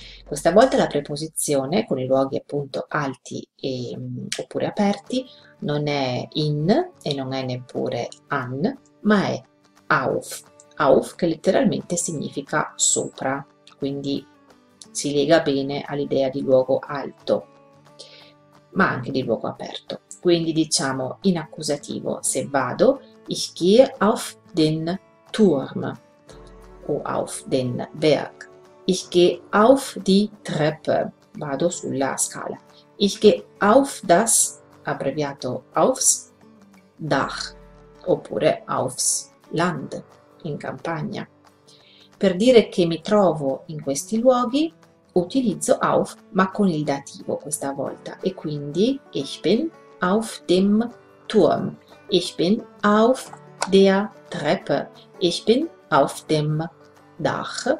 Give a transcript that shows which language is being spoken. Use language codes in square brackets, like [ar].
[it] Questa volta la preposizione con i luoghi appunto alti oppure aperti non è in e non è neppure an, ma è auf, auf che letteralmente significa sopra, quindi si lega bene all'idea di luogo alto, ma anche di luogo aperto. Quindi diciamo in accusativo, se vado, [de] ich gehe auf den Turm o auf den Berg. Ich gehe auf die Treppe, [it] vado sulla scala. [de] Ich gehe auf das, [it] abbreviato [de] aufs, Dach, [it] oppure [de] aufs Land, [it] in campagna. Per dire che mi trovo in questi luoghi, utilizzo auf, ma con il dativo questa volta, e quindi [de] ich bin auf dem Turm. Ich bin auf der Treppe. Ich bin auf dem Dach.